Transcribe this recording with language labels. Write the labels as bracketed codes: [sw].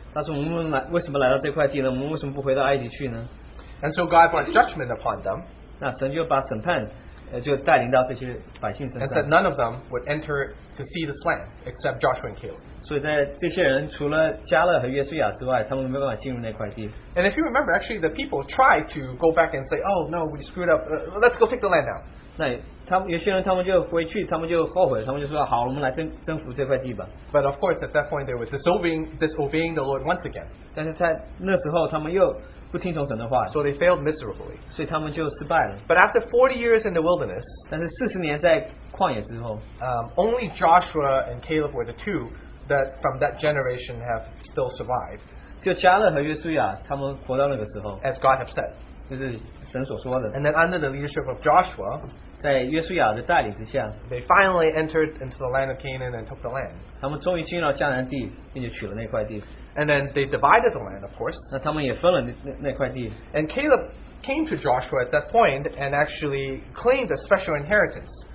[zh] 但是我们为什么来到这块地呢？我们为什么不回到埃及去呢？ [en] And so God brought judgment upon them. [zh] 那神就把审判，就带领到这些百姓身上。 [en] And said none of them would enter to see this land except Joshua and Caleb. [zh] 所以在这些人除了加勒和约书亚之外，他们没有办法进入那块地。 [en] And if you remember, actually, the people tried to go back and say, "Oh no, we screwed up. Let's go take the land now." [zh] 那他们有些人他们就回去，他们就后悔，他们就说：“好，我们来征服这块地吧。” [en] But of course, at that point, they were disobeying the Lord once again. [zh] 但是在那时候，他们又不听从神的话。 [en] So they failed miserably. [zh] 所以他们就失败了。 [en] But after 40 years in the wilderness, [zh] 但是40年在旷野之后， [en] only Joshua and Caleb were the two that from that generation have still survived. [zh] 就加勒和约书亚他们活到那个时候， [en] as God have said. [zh] 就是神所说的。 [en] And then under the leadership of Joshua, [zh] 在约书亚的带领之下， [en] they finally entered into the land of Canaan and took the land. [zh] 他们终于进入到迦南地， 并且取了那块地。 [en] And then they divided the land, of course. [zh] 那他们也分了那块地。 [en] And Caleb came to Joshua at that point and actually claimed a special inheritance.